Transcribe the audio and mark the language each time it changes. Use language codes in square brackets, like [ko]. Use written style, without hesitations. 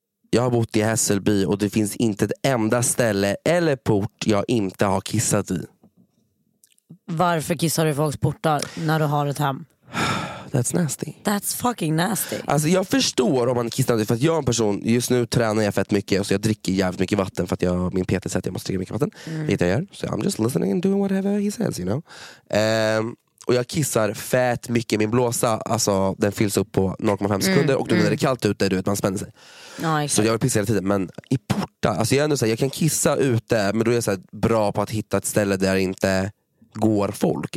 [sv] Jag har bott i Hässelby och det finns inte ett enda ställe eller port jag inte har kissat i. Varför kissar du folks portar när du har ett hem? [en] That's nasty. That's fucking nasty. [sv] Alltså jag förstår om man kissar, för att jag är en person, just nu tränar jag fett mycket, så jag dricker jävligt mycket vatten, för att jag, min PT säger att jag måste dricka mycket vatten. Mm. Vet jag gör. [en] So I'm just listening and doing whatever he says, you know. [sv] Och jag kissar fett mycket. Min blåsa, alltså den fylls upp på 0,5 sekunder. Och då när det är kallt ute, du vet, man spänner sig. Ja, exakt. Så jag vill pissa hela tiden. Men i porta, alltså jag är ändå såhär, jag kan kissa ute, men då är jag såhär bra på att hitta ett ställe där inte går folk.